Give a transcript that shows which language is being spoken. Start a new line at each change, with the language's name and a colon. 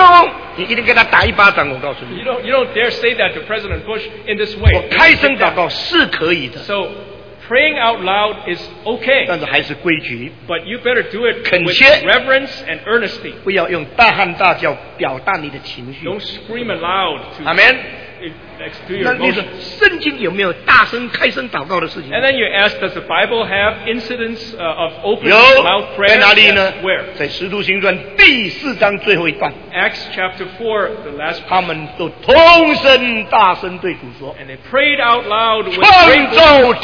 Chinese: 你敢不敢到总统府,总统,求你打打工,你一定给他打一巴掌, 我告诉你。
English: You don't dare say that to President Bush in this way.
Chinese: 我开声祷告是可以的。
English: So, praying out loud is okay.
Chinese: 但是还是规矩,
English: but you better do it
Chinese: 恳切,
English: with reverence and earnesty.
Chinese: 不要用大喊大叫表达你的情绪。
English: Don't scream aloud to Amen. And then you ask, does the Bible have incidents of open mouth prayer?
Chinese: 在哪里呢?
English: Yes, where?
Chinese: 在使徒行传第四章最后一段,
English: Acts chapter 4, the last part.
Chinese: 他们都同声大声对主说,
English: and they prayed out loud with great voice.